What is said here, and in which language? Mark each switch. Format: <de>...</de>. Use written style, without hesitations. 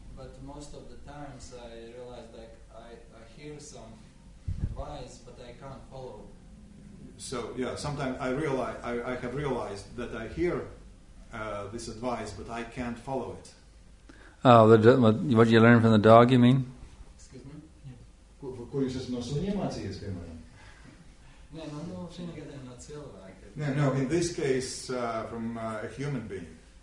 <en>But most of the times I realize like I hear some advice, but I can't follow. So yeah, sometimes I realize I have realized that I hear this advice, but I can't follow it. Oh, what you learn from the dog, you mean? Excuse me.</en> <lv>Kur jūs esat no suņiem mācījies, piemēram?</lv> <en>No, in this case, from a human being.</en>